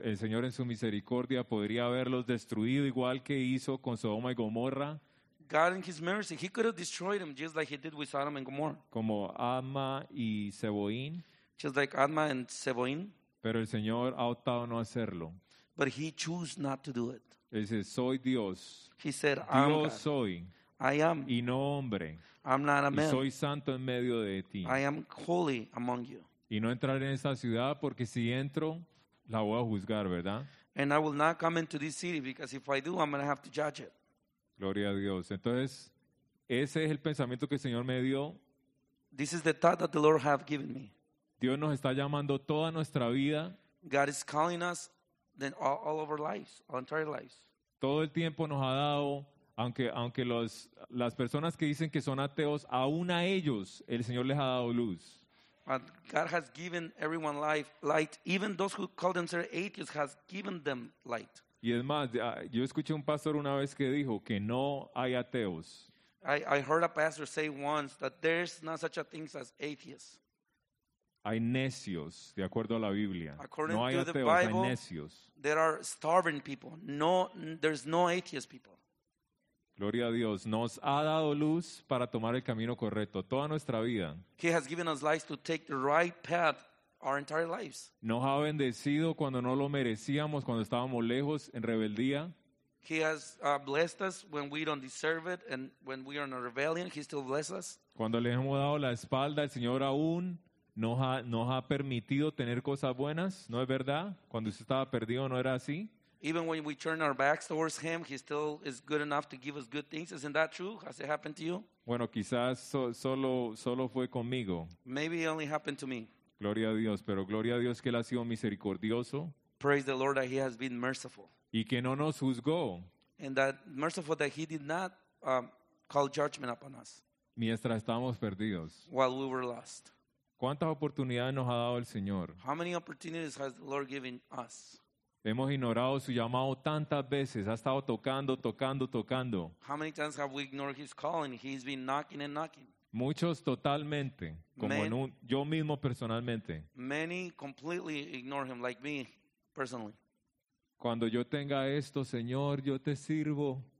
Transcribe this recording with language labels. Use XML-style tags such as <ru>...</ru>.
<es>El Señor en su misericordia podría haberlos destruido igual que hizo con Sodoma y Gomorra.</es> <en>God in his mercy, he could have destroyed them just like he did with Sodom and Gomorrah.</en> <es>Como Adma y Zeboín.</es> <en>Just like Adma and Zeboín.</en> <es>Pero el Señor ha optado no hacerlo.</es> <en>But he chose not to do it.</en> <es>Él dice, soy Dios.</es> <en>He said,</en> <es>Dios soy.</es> <en>I am.</en> <es>Y no hombre.</es> <en>I'm not a man.</en> <es>Y soy santo en medio de ti.</es> <en>I am holy among you.</en> <es>Y no entraré en esa ciudad porque si entro, la voy a juzgar, ¿verdad?</es> <en>And I will not come into this city because if I do, I'm going to have to judge it.</en> <es>Gloria a Dios. Entonces, ese es el pensamiento que el Señor me dio.</es> <en>This is the thought that the Lord have given me.</en> <es>Dios nos está llamando toda nuestra vida.</es> <en>God is calling us then all of our lives, our entire lives.</en> <es>Todo el tiempo nos ha dado, aunque las personas que dicen que son ateos, aún a ellos el Señor les ha dado luz.</es> <en>But God has given everyone life, light. Even those who call themselves atheists has given them light.</en> <es>Y es más, yo escuché un pastor una vez que dijo que no hay ateos.</es> <en>I heard a pastor say once that there's not such a thing as atheists.</en> <es>Hay necios, de acuerdo a la Biblia.</es> <en>According</en> <es>no hay</es> <en>to</en> <es>ateos,</es> <en>the Bible,</en> <es>hay necios.</es> <en>There are starving people. No, there's no atheist people.</en> <es>Gloria a Dios. Nos ha dado luz para tomar el camino correcto toda nuestra vida.</es> <en>He has given us life to take the right path our entire lives.</en> <es>Nos ha bendecido cuando no lo merecíamos, cuando estábamos lejos en rebeldía.</es> <en>He has blessed us when we don't deserve it and when we are in a rebellion, he still blesses us.</en> <es>Cuando le hemos dado la espalda, el Señor aún nos ha permitido tener cosas buenas, ¿no es verdad? Cuando usted estaba perdido, ¿no era así?</es> <en>Even when we turn our backs towards him, he still is good enough to give us good things. Isn't that true? Has it happened to you?</en> <es>Bueno, quizás solo fue conmigo.</es> <en>Maybe it only happened to me.</en> <es>Gloria a Dios, pero gloria a Dios que él ha sido misericordioso.</es> <en>Praise the Lord that he has been merciful.</en> <es>Y que no nos juzgó.</es> <en>And that merciful that he did not call judgment upon us.</en> <es>Mientras estábamos perdidos.</es> <en>While we were lost.</en> <es>¿Cuántas oportunidades nos ha dado el Señor?</es> <en>How many opportunities has the Lord given us?</en> <es>Hemos ignorado su llamado tantas veces. Ha estado tocando.</es> <en>How many times have we ignored his calling? He's been knocking and knocking.</en> <es>Muchos totalmente, como many, yo mismo personalmente.</es> <en>Many completely ignore him, like me personally.</en> <es>Cuando yo tenga esto, Señor, yo te sirvo.</es>